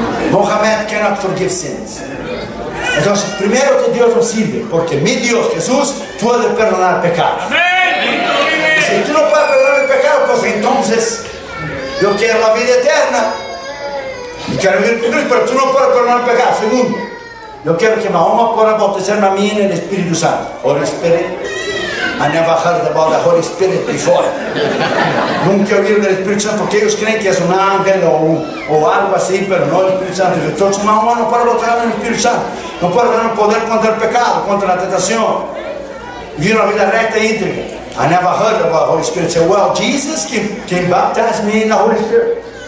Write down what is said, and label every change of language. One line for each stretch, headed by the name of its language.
English: Mohammed cannot forgive sins.
Spanish: Entonces, primero que Dios nos sirve, porque mi Dios, Jesús, puede perdonar pecados. Si tú no puedes perdonar el pecado, pues entonces yo quiero la vida eterna. Y quiero vivir con Cristo, pero tú no puedes perdonar pecados. Segundo, yo quiero que Mahoma pueda bautizarme a mí en el Espíritu Santo.
English: Holy Spirit. I never heard about the Holy Spirit before.
Spanish: Nunca he oído del Espíritu Santo, porque ellos creen que es un ángel o algo así, pero no el Espíritu Santo. Entonces, mamá, no puedo lograr el Espíritu Santo. No puedo ganar poder contra el pecado, contra la tentación. Vivir una vida recta e íntegra.
English: I never heard about the Holy Spirit. Say, well, Jesus can baptize me in the Holy Spirit.